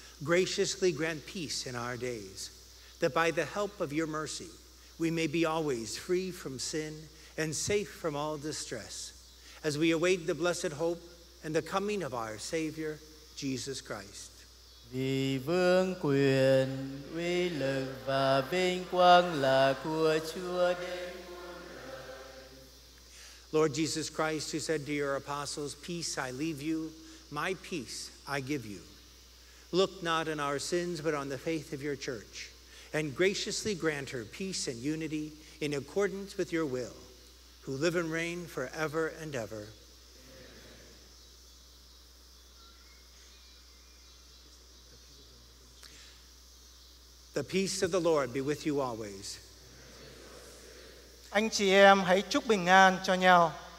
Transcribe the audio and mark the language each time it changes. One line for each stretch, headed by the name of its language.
English: Graciously grant peace in our days, that by the help of your mercy, we may be always free from sin and safe from all distress, as we await the blessed hope and the coming of our Savior, Jesus Christ.
Vietnamese: Vì vương quyền, uy lực và vinh quang là của Chúa đến muôn đời.
English: Lord Jesus Christ, who said to your apostles, "Peace I leave you, my peace I give you," look not on our sins, but on the faith of your church, and graciously grant her peace and unity in accordance with your will, who live and reign forever and ever. Amen. The peace of the Lord be with you always.
Vietnamese: Anh chị em hãy chúc bình an cho nhau.